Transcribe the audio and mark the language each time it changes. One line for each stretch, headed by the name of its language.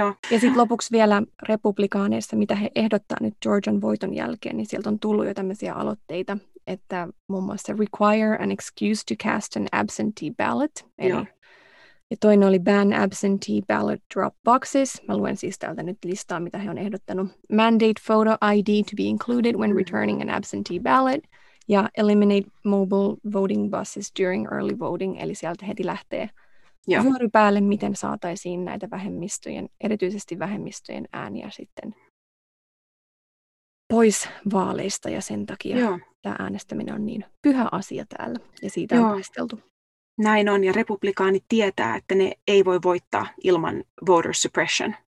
Finnish: Ja sitten lopuksi vielä republikaaneissa, mitä he ehdottaa nyt Georgian voiton jälkeen, niin sieltä on tullut jo tämmöisiä aloitteita, että muun muassa
English: require an excuse to cast an absentee ballot.
Finnish: Ja toinen oli
English: ban absentee ballot drop boxes.
Finnish: Mä luen siis täältä nyt listaa, mitä he on ehdottanut.
English: Mandate photo ID to be included when returning an absentee ballot. Ja eliminate mobile voting buses during early voting.
Finnish: Eli sieltä heti lähtee vuori päälle, miten saataisiin näitä vähemmistöjen, erityisesti vähemmistöjen ääniä sitten pois vaaleista ja sen takia tämä äänestäminen on niin pyhä asia täällä ja siitä on taisteltu. Näin on ja republikaanit tietää, että ne ei voi voittaa ilman voter suppression.